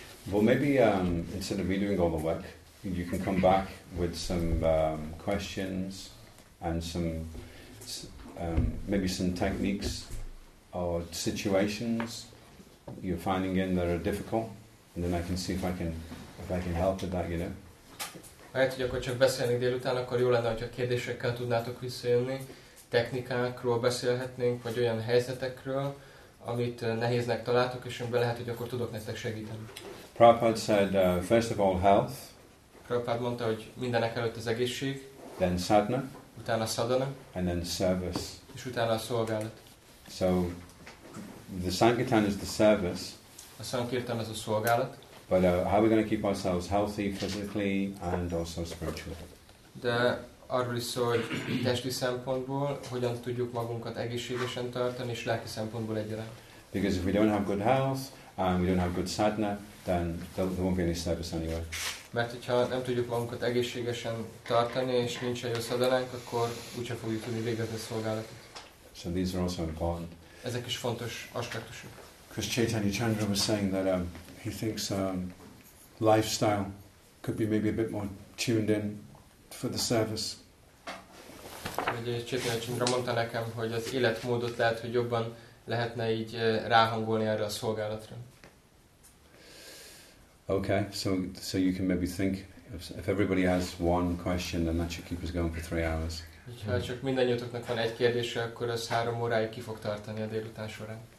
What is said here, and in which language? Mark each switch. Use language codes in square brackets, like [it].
[en] Well, maybe instead of me doing all the work, you can come back with some questions and some maybe some techniques or situations you're finding in that are difficult, and then I can see if I can help with that, you know. [hu] Lehet, hogy akkor csak beszélnénk délután, akkor jó lenne, hogyha kérdésekkel tudnátok visszajönni, technikákról beszélhetnénk, vagy olyan helyzetekről, amit nehéznek találtok, és amiben lehet, hogy akkor tudok nektek segíteni. [en] Prabhupada said, first of all, health. [hu] Prabhupada mondta, hogy mindenek előtt az egészség. [en] Then sadhana. [hu] Utána sadhana. [en] And then service. [hu] És utána a szolgálat. [en] So, the sankirtan is the service. [hu] A sankirtan az a szolgálat. [en] But how are we going to keep ourselves healthy physically and also spiritually? [hu] De arról is szól, hogy testi szempontból hogyan tudjuk magunkat egészségesen tartani és lelki szempontból egyaránt. [en] Because if we don't have good health and we don't have good sadhana, then there won't be any service anywhere. [hu] Mert hogyha nem tudjuk magunkat egészségesen tartani és nincs jó szadalánk, akkor úgyse fogjuk tudni végezni szolgálatot. [en] So these are also important. [hu] Ezek is fontos aspektusok. [en] Because Chaitanya Chandra was saying that he thinks lifestyle could be maybe a bit more tuned in for the service. [hu] Ugye Chaitanya Chandra mondta nekem, hogy az életmódot lehet, hogy jobban lehetne így ráhangolni erre a szolgálatra. [en] Okay, so you can maybe think if everybody has one question, then that should keep us going for 3 hours. [hu] Ha csak mindannyiótoknak van egy kérdése, akkor az 3 óráig ki fog tartani a délután során.